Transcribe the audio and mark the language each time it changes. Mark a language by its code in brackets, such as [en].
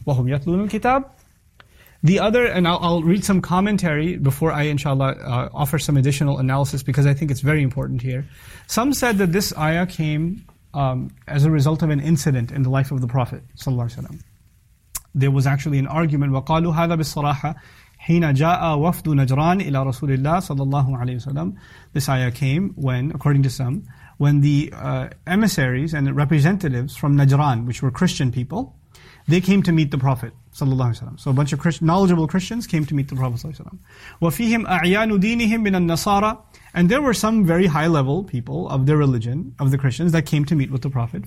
[ar] وَهُمْ يَتْلُونَ الْكِتَابِ. [en] The other, and I'll read some commentary before I, inshallah, offer some additional analysis because I think it's very important here. Some said that this ayah came as a result of an incident in the life of the Prophet sallallahu alaihi wasallam. There was actually an argument. [ar] وَقَالُوا هَذَا بِالصَّرَاحَةِ حِينَ جَاءَ وَفْدُ نَجْرَانِ إِلَى رَسُولِ اللَّهِ sallallahu alaihi wasallam. [en] This ayah came when, according to some, when the emissaries and representatives from Najran, which were Christian people, they came to meet the Prophet sallallahu alaihi wasallam. So a bunch of knowledgeable Christians came to meet the Prophet sallallahu alaihi wasallam. [ar] وَفِيهِمْ أَعْيَانُ دِينِهِمْ مِنَ النَّصَارَى. [en] And there were some very high-level people of their religion, of the Christians, that came to meet with the Prophet.